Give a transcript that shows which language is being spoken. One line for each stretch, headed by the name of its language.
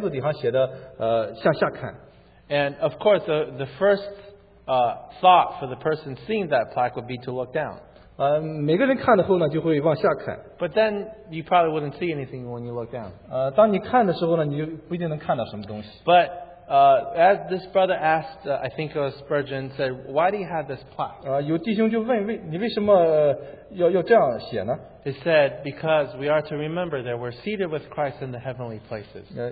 Chinese: 他就看到有一个的牌子底下写的向下看。
English: And of course the first thought for the person seeing that plaque would be to look down.
Chinese: 每个人看了后呢就会往下看。
English: But then you probably wouldn't see anything when you look down.
Chinese: 当你看的时候呢你就不一定能看到什么东西。
English: But as this brother asked, I think it was Spurgeon, said, "Why do you have this plaque?"
Chinese: 有弟兄就问你为什么要这样写呢？
English: It said, "Because we are to remember that we're seated with Christ in the heavenly places."